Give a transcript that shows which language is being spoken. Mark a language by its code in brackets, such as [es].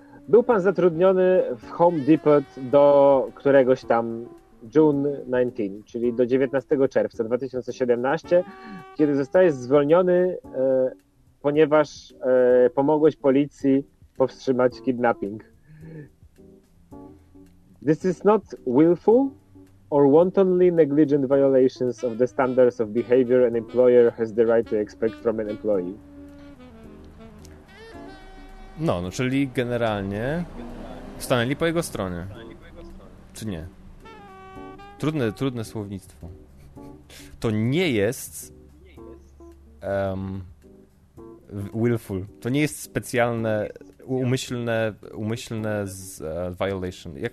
[pl] Był pan zatrudniony w Home Depot do któregoś tam [en] June 19, [pl] czyli do 19 czerwca 2017, kiedy zostałeś zwolniony, ponieważ pomogłeś policji powstrzymać kidnapping. [en] This is not willful or wantonly negligent violations of the standards of behavior an employer has the right to expect from an employee. [pl] No, czyli generalnie stanęli po jego stronie. Czy nie? Trudne słownictwo. To nie jest willful. To nie jest specjalne, umyślne violation.